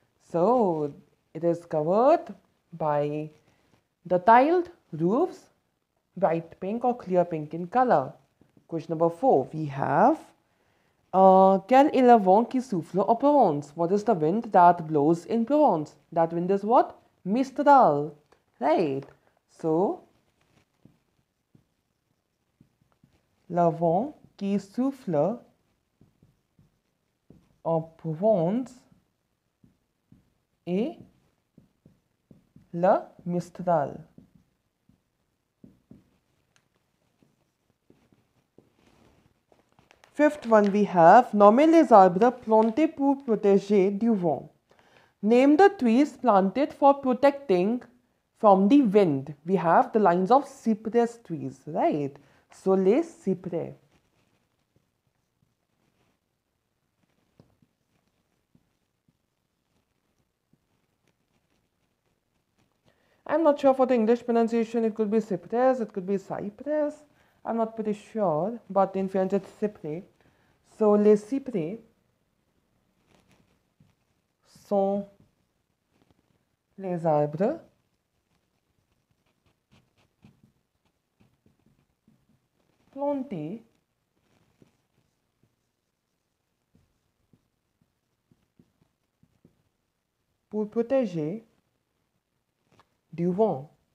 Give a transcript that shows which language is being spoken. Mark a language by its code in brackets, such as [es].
[en] So it is covered by the tiled roofs, bright pink or clear pink in color. Question number 4. We have [fr] quel est le vent qui souffle en Provence? [en] What is the wind that blows in Provence? That wind is what? Mistral. Right. [fr] So, le vent qui souffle en Provence est le Mistral. [en] Fifth one we have, [fr] nommez les arbres plantés pour protéger du vent. [en] Name the trees planted for protecting from the wind, we have the lines of cypress trees, right? [fr] So, les cyprès. [en] I'm not sure for the English pronunciation, it could be cypress, it could be cypress. I'm not pretty sure, but in French it's cyprès. [fr] So, les cyprès sont les arbres plantés pour protéger du vent.